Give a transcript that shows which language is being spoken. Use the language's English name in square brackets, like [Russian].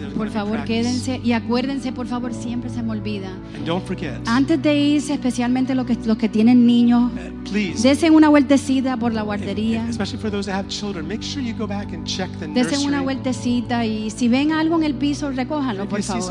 [Spanish] Por favor, quédense y acuérdense, por favor, siempre se me olvida. [English] And don't forget, [Spanish] antes de irse, especialmente los que tienen niños, [English] please, [Spanish] desen una vueltecita por la guardería. [English] Especially for those that have children, make sure you go back and check the [Spanish] desen [English] nursery. [Spanish] Desen una vueltecita y si ven algo en el piso, recójanlo, por favor.